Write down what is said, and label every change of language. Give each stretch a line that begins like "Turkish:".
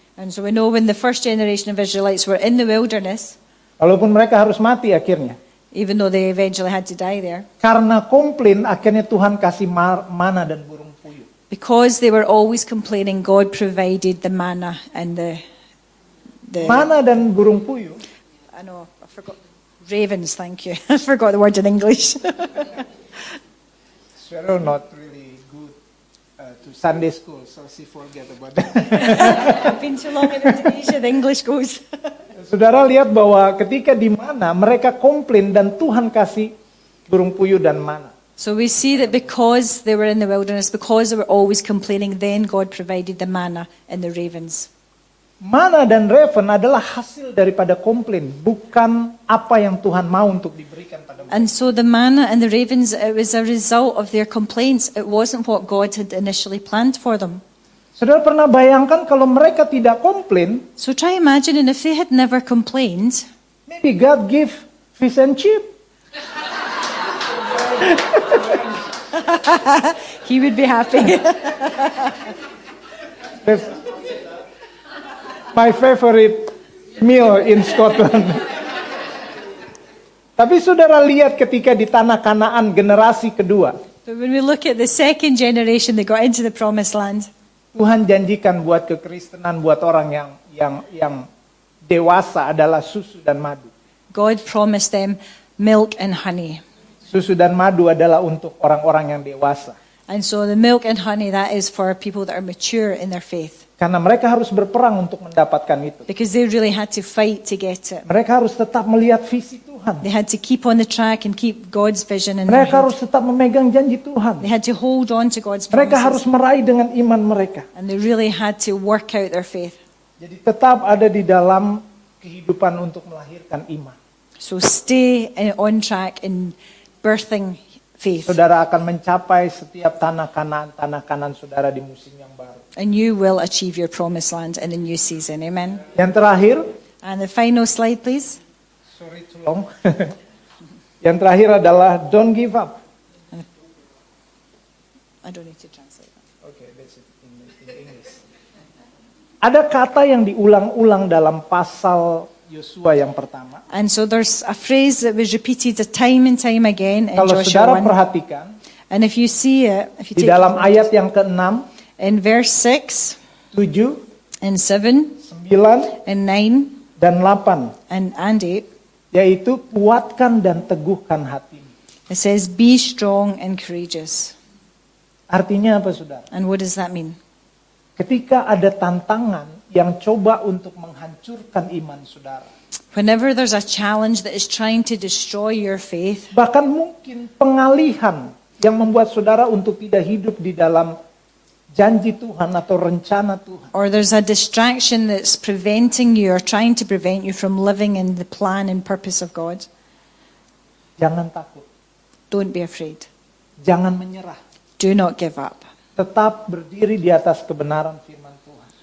English: And so we know when the first generation of Israelites were in the wilderness.
Indonesian: Walaupun mereka harus mati akhirnya.
English: Even though they eventually had to die there.
Indonesian: Karena komplain akhirnya Tuhan kasih mana dan burung.
English: Because they were always complaining, God provided the manna and the
Indonesian: manna dan burung puyuh.
English: I know, I forgot. Ravens, thank you. I forgot the word in English. Cheryl not really good to Sunday school, so she forget about that. I've been too long in Indonesia, the English goes.
Indonesian: Saudara lihat bahwa ketika di mana mereka komplain dan Tuhan kasih burung puyuh dan mana.
English: So we see that because they were in the wilderness, because they were always complaining, then God provided the manna and the ravens.
Indonesian: Manna dan raven adalah hasil daripada komplain, bukan apa yang Tuhan mau untuk diberikan pada mereka.
English: And so the manna and the ravens, it was a result of their complaints. It wasn't what God had initially planned for them.
Indonesian: Saudara pernah bayangkan kalau mereka tidak komplain?
English: So try imagining if they had never complained. Maybe God give fish and chip. He would be happy. My favorite meal in Scotland.
Indonesian: Tapi saudara lihat ketika di tanah Kanaan generasi kedua.
English: But when we look at the second generation that got into the promised land.
Indonesian: Tuhan janjikan buat kekristenan buat orang yang dewasa adalah susu dan madu.
English: God promised them milk and honey.
Indonesian: Susu dan madu adalah untuk orang-orang yang dewasa.
English: And so the milk and honey, that is for people that are mature in their faith.
Indonesian: Karena mereka harus berperang untuk mendapatkan itu.
English: Because they really had to fight to get it.
Indonesian: Mereka harus tetap melihat visi Tuhan.
English: They had to keep on the track and keep God's vision in mind.
Indonesian: Mereka harus tetap memegang janji Tuhan.
English: They had to hold on to God's promises.
Indonesian: Mereka harus meraih dengan iman mereka.
English: And they really had to work out their faith.
Indonesian: Jadi tetap ada di dalam kehidupan untuk melahirkan iman.
English: So stay on track in birthing faith.
Indonesian: Saudara akan mencapai setiap tanah kanan saudara di musim yang baru.
English: And you will achieve your promised land in the new season. Amen.
Indonesian: Yang terakhir.
English: And the final slide, please. Sorry, too long.
Indonesian: Yang terakhir adalah
English: don't give up. I don't need to translate that. Okay, that's it in English.
Indonesian: Ada kata yang diulang-ulang dalam pasal Yosua yang pertama.
English: And so there's a phrase that was repeated time and time again in
Indonesian: Kalau
English: Joshua 1.
Indonesian: Kalau saudara perhatikan.
English: And if you see it, if you
Indonesian: di dalam ayat yang ke-6.
English: In verse 6, 7, and 7, 9, and 9,
Indonesian: dan 8,
English: and 8,
Indonesian: yaitu kuatkan dan teguhkan hatimu.
English: It says, be strong and courageous.
Indonesian: Artinya apa, saudara?
English: And what does that mean?
Indonesian: Ketika ada tantangan yang coba untuk menghancurkan iman saudara.
English: Whenever there's a challenge that is trying to destroy your faith.
Indonesian: Bahkan mungkin pengalihan yang membuat saudara untuk tidak hidup di dalam janji Tuhan atau rencana Tuhan.
English: Or there's a distraction that's preventing you or trying to prevent you from living in the plan and purpose of God.
Indonesian: Jangan takut.
English: Don't be afraid.
Indonesian: Jangan menyerah.
English: Do not give up.
Indonesian: Tetap berdiri di atas kebenaran firman Tuhan.